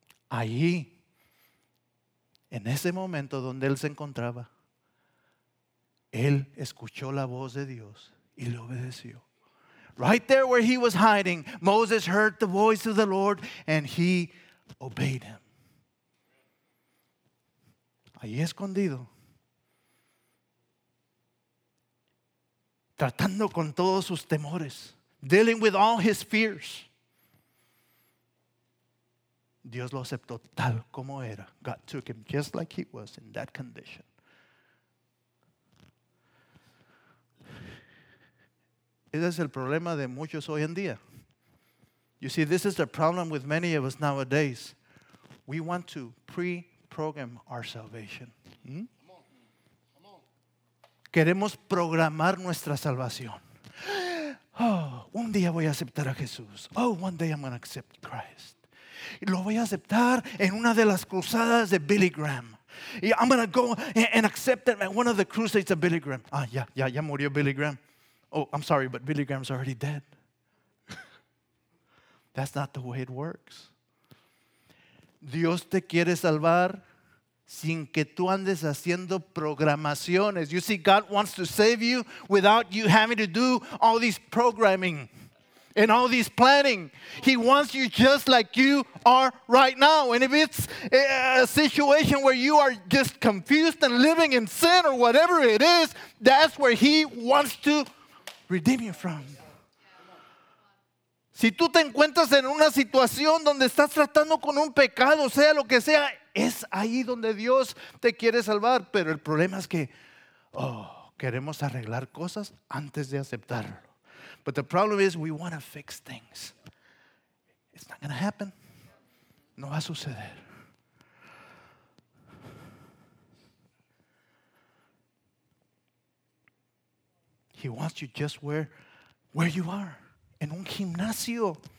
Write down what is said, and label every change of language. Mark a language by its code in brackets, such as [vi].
[es] Allí, en ese momento donde él se encontraba, él escuchó la voz de Dios y le obedeció. [en] Right there where he was hiding, Moses heard the voice of the Lord and he obeyed him. [es] Allí escondido, tratando con todos sus temores, [en] dealing with all his fears. [es] Dios lo aceptó tal como era. [en] God took him just like he was in that condition. [es] Ese es el problema de muchos hoy en día. [en] You see, this is the problem with many of us nowadays. We want to pre-program our salvation. [es] Queremos programar nuestra salvación. Oh, un día voy a aceptar a Jesús. [en] Oh, one day I'm going to accept Christ. [es] Lo voy a aceptar en una de las cruzadas de Billy Graham. [en] Yeah, I'm going to go and accept it at one of the crusades of Billy Graham. Ah, yeah, yeah, [es] ya murió Billy Graham. [en] Oh, I'm sorry, but Billy Graham's already dead. That's not the way it works. [es] Dios te quiere salvar sin que tú andes haciendo programaciones. [en] You see, God wants to save you without you having to do all this programming and all this planning. He wants you just like you are right now. And if it's a situation where you are just confused and living in sin or whatever it is, that's where he wants to redeem you from. [es] Si tú te encuentras en una situación donde estás tratando con un pecado, sea lo que sea, es ahí donde Dios te quiere salvar. Pero el problema es que, oh, queremos arreglar cosas antes de aceptarlo. [en] But the problem is we want to fix things. It's not going to happen. [es] No va a suceder. [en] He wants you just where you are. [es] En un gimnasio.